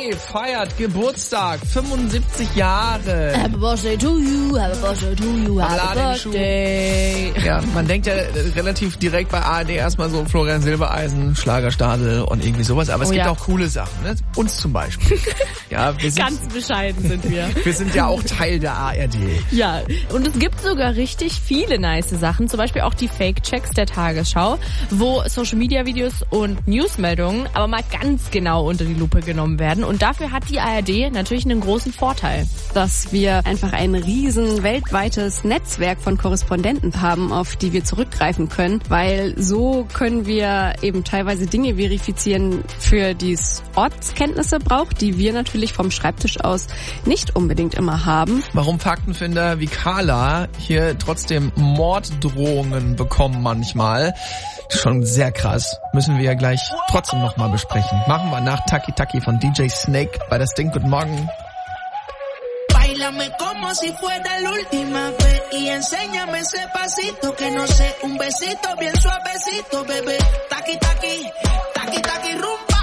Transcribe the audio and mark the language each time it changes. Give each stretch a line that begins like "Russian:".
German: Feiert Geburtstag, 75 Jahre.
English: Happy birthday to you, happy birthday to you, happy birthday.
German: Ja, man denkt ja relativ direkt bei ARD erstmal so Florian Silbereisen, Schlagerstadel und irgendwie sowas. Aber es gibt auch coole Sachen, ne? Uns zum Beispiel. Ja, wir sind, ganz bescheiden sind wir. Wir sind ja auch Teil der ARD. Ja, und es gibt sogar richtig viele nice Sachen, zum Beispiel auch die Fake-Checks der Tagesschau, wo Social-Media-Videos und Newsmeldungen aber mal ganz genau unter die Lupe genommen werden. Und dafür hat die ARD natürlich einen großen Vorteil. Dass wir einfach ein riesen weltweites Netzwerk von Korrespondenten haben, auf die wir zurückgreifen können, weil so können wir eben teilweise Dinge verifizieren, für die es Ortskenntnisse braucht, die wir natürlich vom Schreibtisch aus nicht unbedingt immer haben. Warum Faktenfinder wie Carla hier trotzdem Morddrohungen bekommen manchmal? Schon sehr krass. Müssen wir ja gleich trotzdem nochmal besprechen. Machen wir nach Taki Taki von DJ Snake bei Das Ding. Guten Morgen.
Spanish: Báilame como si fuera la última vez y enséñame ese pasito que no sé, un besito bien suavecito, bebé. Taki Taki, Taki Taki, rumba.